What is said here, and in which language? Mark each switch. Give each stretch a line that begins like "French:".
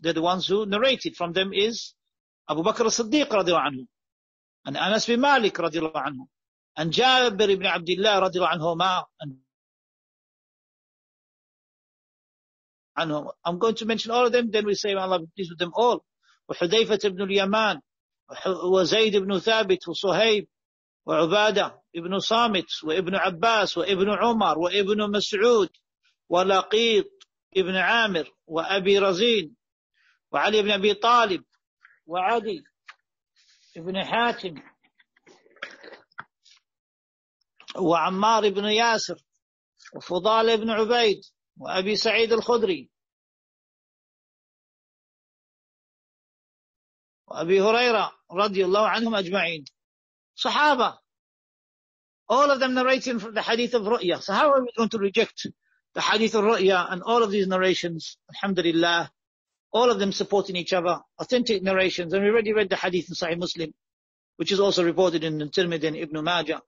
English: They're the ones who narrated. From them is Abu Bakr as-Siddiq radhiyallahu anhu, and Anas bin Malik radhiyallahu anhu, and Jabir ibn Abdullah radhiyallahu anhum. I'm going to mention all of them, then we say, may Allah be pleased with them all.
Arabic: Hudhayfah ibn al-Yaman, وزيد بن ثابت وصهيب وعبادة ابن صامت وابن عباس وابن عمر وابن مسعود ولقيط ابن عامر وأبي رزين وعلي بن أبي طالب وعدي ابن حاتم وعمار بن ياسر وفضال بن عبيد وأبي سعيد الخدري وأبي هريرة رضي الله عنهم أجمعين. صحابة.
English: All of them narrating from the hadith of Ru'ya. So how are we going to reject the hadith of Ru'ya and all of these narrations? Alhamdulillah. All of them supporting each other. Authentic narrations. And we already read the hadith in Sahih Muslim, which is also reported in Tirmidhi and Ibn Majah.